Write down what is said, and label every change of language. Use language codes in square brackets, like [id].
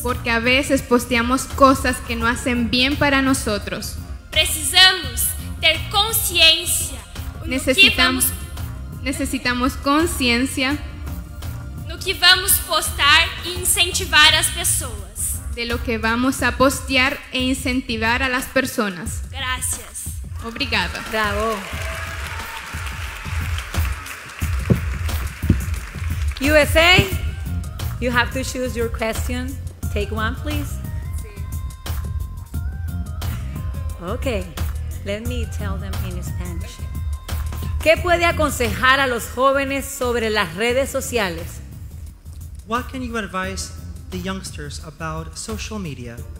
[pt] Porque a vezes posteamos coisas que não fazem bem para nós. Precisamos ter consciência Necessitamos consciência no que vamos postar e incentivar as pessoas. [es] De lo que vamos a postear e incentivar a las personas. Gracias. [pt] Obrigada. Bravo. [en] USA, you have to choose your question. Take one, please. Okay, let me tell them in Spanish. [es] ¿Qué puede aconsejar a los jóvenes sobre las redes sociales? [en] What can you advise the youngsters about social media?